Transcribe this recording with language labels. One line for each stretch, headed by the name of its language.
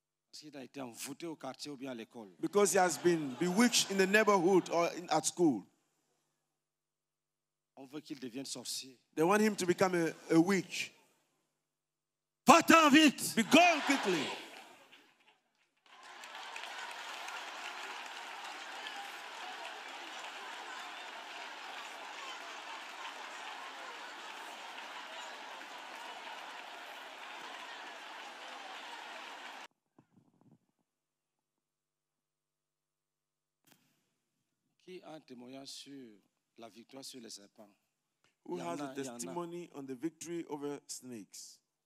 French: s'il a été envoûté au quartier ou bien à l'école,
English: because he has been bewitched in the neighborhood or at school,
French: on veut qu'il devienne sorcier.
English: They want him to become a witch.
French: Va-t'en vite.
English: Be gone quickly.
French: Un témoignage sur la victoire sur les serpents.
English: Who has a testimony on the victory over snakes?